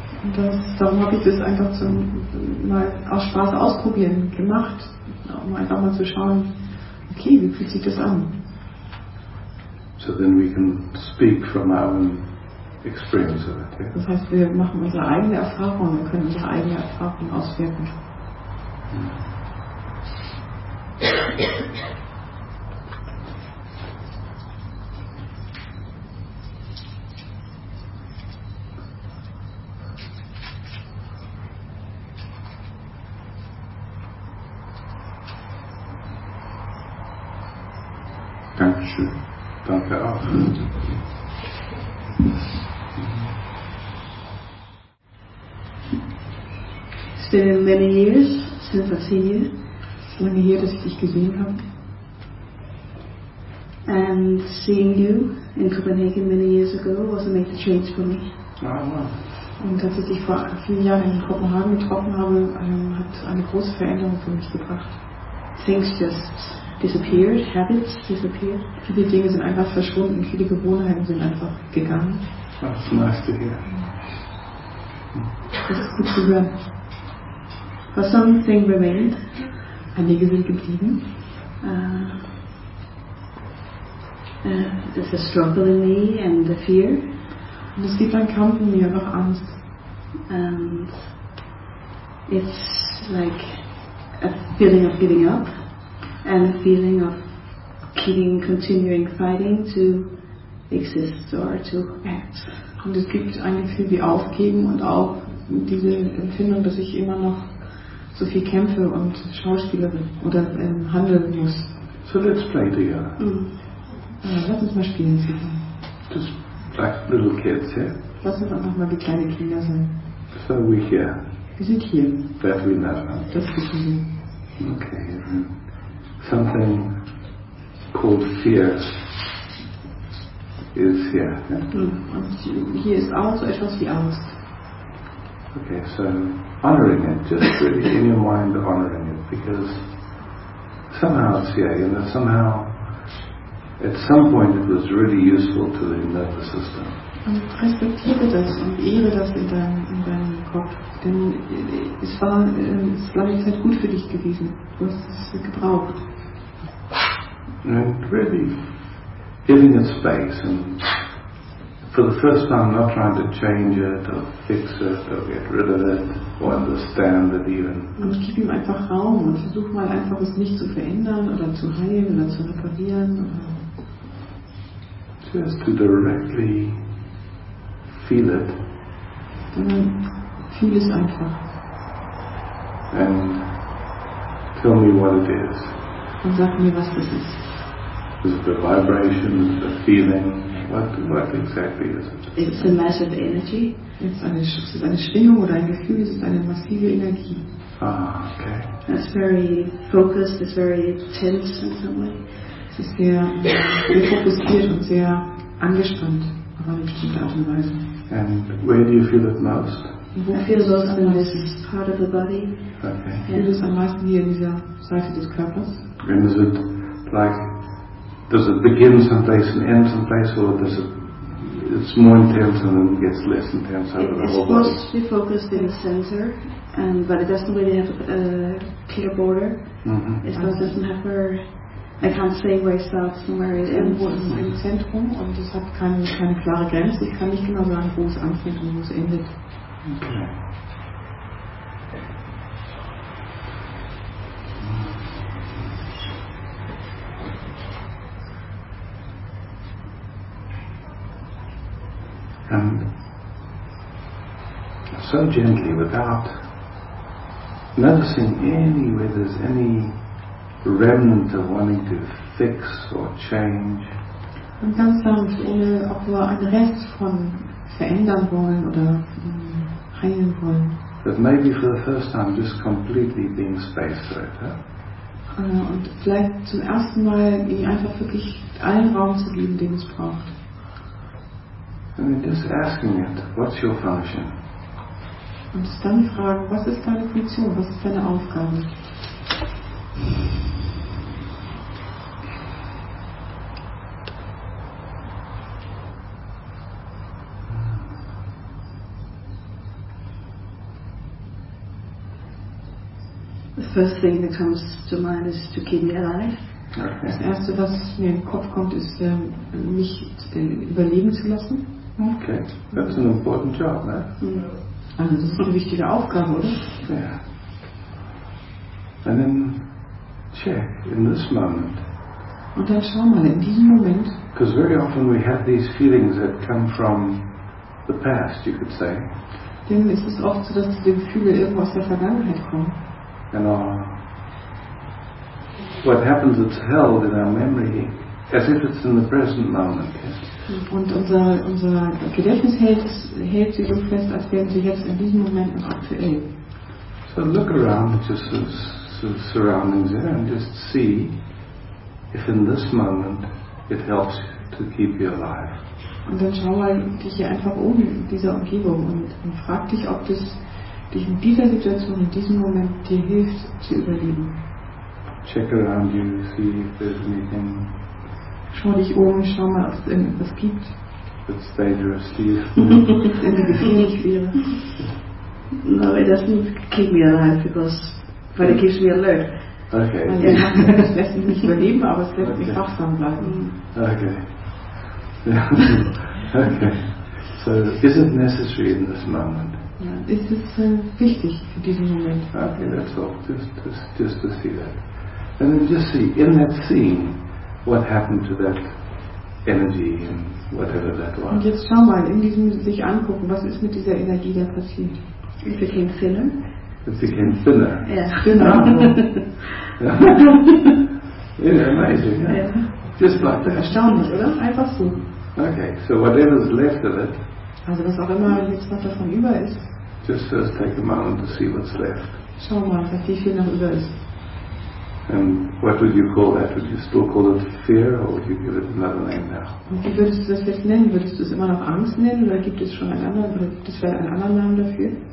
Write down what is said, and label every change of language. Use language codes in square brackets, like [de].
[de] Und das, darum habe ich das einfach zum, mal aus Spaß ausprobieren gemacht, um einfach mal zu schauen, okay, wie fühlt sich das an? [en] So then we can speak from our own experience of it, yeah? [de] Das heißt, wir machen unsere eigene Erfahrung und können unsere eigene Erfahrung auswirken. Dankeschön. Danke auch. [en] It's been many years since I've seen you. [de] Lange her, dass ich dich gesehen habe. [en] And seeing you in Copenhagen many years ago was a major change for me. [de] Und dass ich dich vor vielen Jahren in Kopenhagen getroffen habe, hat eine große Veränderung für mich gebracht. [en] Things just disappeared, habits disappeared. [de] Viele Dinge sind einfach verschwunden, viele Gewohnheiten sind einfach gegangen. [en] That's nice to hear. [de] Das ist gut zu hören. [en] But something remained. [de] Einige sind geblieben. [en] There's a struggle in me and a fear. [de] Und es gibt einen Kampf in mir, noch Angst. [en] And it's like a feeling of giving up and a feeling of keeping, continuing fighting to exist or to act. [de] Und es gibt ein Gefühl wie Aufgeben und auch diese Empfindung, dass ich immer noch so viel kämpfe und Schauspielerin oder handeln muss. [en] So let's play together. [de] Lass uns mal spielen zusammen. [en] Just like little kids, yeah? [de] Lass uns einfach mal wie kleine Kinder sein. [en] So we here. [de] Wir sind hier. [en] That we know. [de] Das wissen wir. [en] Okay. Something called fear is here. [de] Yeah? Hier ist auch so etwas wie Angst. [en] Okay, so honoring it, just really, in your mind honoring it, because somehow it's here, you know, somehow at some point it was really useful to the nervous system. [de] Und respektiere das und ehre das in deinem Kopf, denn es war lange Zeit gut für dich gewesen, du hast es gebraucht. [en] And really giving it space and for the first time, not trying to change it or fix it or get rid of it or understand it even. [de] Und gib ihm einfach Raum und versuch mal einfach es nicht zu verändern oder zu heilen oder zu reparieren. [en] Just to directly feel it. [de] Dann fühl es einfach. [en] And tell me what it is. [de] Und sag mir, was das ist. [en] Is it the vibration, is it a feeling? What exactly is it? It's a massive energy. [de] Ist eine Schwingung oder ein Gefühl, es ist eine massive Energie. [en] Ah, okay. That's very focused, it's very tense in some way. [de] Es ist sehr, sehr fokussiert und sehr angespannt, auf eine bestimmte Art und Weise. [en] And where do you feel it most? I feel it most in this part of the body. Okay. [de] Fühlt es am meisten hier in dieser Seite des Körpers. [en] And is it like, does it begin someplace and end someplace, or does it? It's more intense and then gets less intense over the whole body. It's mostly focused in the center, but it doesn't really have a clear border. Mm-hmm. It doesn't have I can't say where it starts and where it ends. [de] Wo ist im Zentrum und es hat keine klare Grenze. Ich kann nicht genau sagen, wo es anfängt und wo es endet. [en] And so gently, without noticing anywhere there's any remnant of wanting to fix or change. [de] Und ganz sanft, ohne ob wir einen Rest von verändern wollen oder heilen wollen. [en] But maybe for the first time just completely being space for it, huh? [de] Und vielleicht zum ersten Mal ihn einfach wirklich allen Raum zu geben, den es braucht. [en] I mean, just asking it, what's your function? [de] Und dann fragen, was ist deine Funktion, was ist deine Aufgabe? [en] Mm-hmm. The first thing that comes to mind is to keep me alive. Okay. [de] Das Erste, was mir in den Kopf kommt, ist, mich überleben zu lassen. [en] Okay, that's an important job, right? [de] Also das ist eine wichtige Aufgabe, oder? [en] Ja. Yeah. And then check in this moment. [de] Und dann schau mal, in diesem Moment. [en] Because very often we have these feelings that come from the past, you could say. [de] Denn es ist oft so, dass diese Gefühle irgendwo aus der Vergangenheit kommen. [en] And what happens, it's held in our memory as if it's in the present moment. [de] Und unser Gedächtnis hält sich so fest, als wären sie jetzt in diesem Moment noch aktuell. [en] So look around at your surroundings there and just see if in this moment it helps to keep you alive. [de] Und dann schau mal dich hier einfach um in dieser Umgebung und frag dich, ob das dich in dieser Situation, in diesem Moment dir hilft zu überleben. [en] Check around you, see if there's anything. [de] Schau dich um, schau mal, ob es irgendwas gibt. [en] It's dangerous to you. [de] Wenn du gefährlich wäre. [en] No, it doesn't keep me alive, but it keeps me alert. Okay. [de] Also, es lässt mich nicht überleben, aber es lässt mich wachsam bleiben. [en] Okay. Okay. So, is it necessary in this moment? [de] Ja, ist es wichtig für diesen Moment? [en] Okay, that's all. Just to see that. And then just see, in that scene, what happened to that energy and whatever that was. [de] Und jetzt schau mal, in diesem sich angucken, was ist mit dieser Energie da passiert? [en] It became thinner. It became thinner? Yeah. Thinner. Yeah, amazing. Yeah. Just like that. [de] Erstaunlich, oder? Einfach so. [en] Okay, so whatever is left of it. [de] Also was auch immer jetzt was davon über ist. [en] Just first take a moment to see what's left. [de] Schau mal, was wie viel noch über ist. [en] And what would you call that? Would you still call it fear, or would you give it another name now? [de] Und wie würdest du das jetzt nennen? Würdest du es immer noch Angst nennen, oder gibt es schon einen anderen, oder gibt es vielleicht einen anderen Namen dafür?